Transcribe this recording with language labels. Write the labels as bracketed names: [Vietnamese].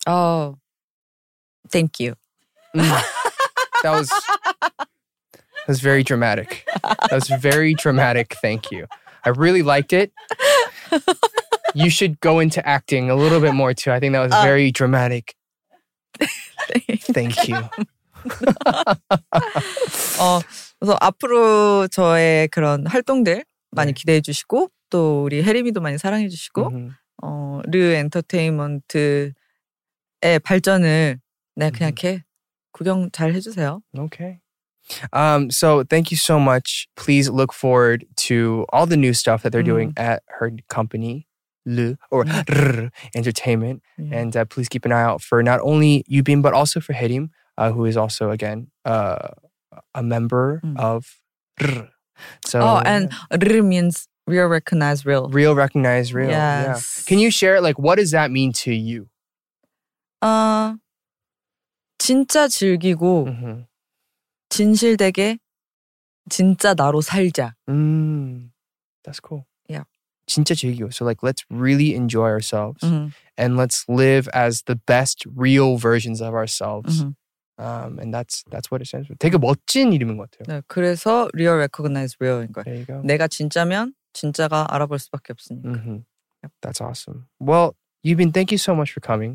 [English] Oh. Thank you. That was very dramatic. That was very dramatic. Thank you. I really liked it. You should go into acting a little bit more too. I think that was very dramatic. Thank you. [Korean] 그래서 앞으로 저의 그런 활동들 많이 기대해 주시고 또 우리 해리미도 많이 사랑해 주시고 르 엔터테인먼트의 발전을 네 그냥 이렇게 구경 잘 해주세요. [English] Okay. So thank you so much. Please look forward to all the new stuff that they're doing at her company, Lu or RR Entertainment. Yeah. And please keep an eye out for not only Yubin but also for Haerim, who is also again a member of RR. So, and RR means real, recognized, real. Real, recognized, real. Yes. Yeah. Can you share, like, what does that mean to you? [Korean] 진짜 즐기고. Mm-hmm. 진실되게 진짜 나로 살자. [English] That's cool. Yeah. [Korean] 진짜 즐기고. [English] So like let's really enjoy ourselves. Mm-hmm. And let's live as the best real versions of ourselves. Mm-hmm. And that's what it stands for. [Korean] 되게 멋진 이름인 것 같아요. 네, 그래서 real recognize real인 거예요. [English] There you go. [Korean] 내가 진짜면 진짜가 알아볼 수밖에 없으니까. [English] Mm-hmm. Yep. That's awesome. Well, Yubin, thank you so much for coming.